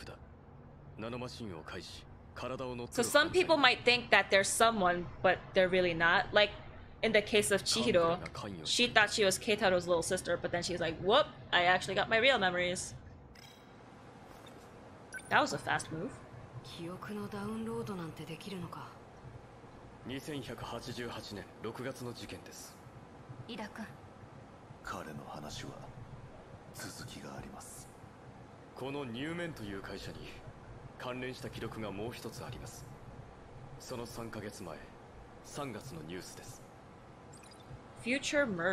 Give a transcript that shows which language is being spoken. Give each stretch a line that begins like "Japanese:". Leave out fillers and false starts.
Japanese: 2188年に起きた入眠者による事件の記録だ。ナノマシンを介し、体を乗っ取る。
English: So some people might think that there's someone, but they're really not. Like in the case of Chihiro, she thought she was Keitaro's little sister, but then she's like, "Whoop! I actually got my real memories." That was a fast move.
Japanese: 記憶のダウンロードなんてできるのか。 2188年6月の事件です。伊田君。彼の話は続きがあります。このニューメンという会社に関連した記録がもう一つあります。その3ヶ月前、3月のニュースです。Future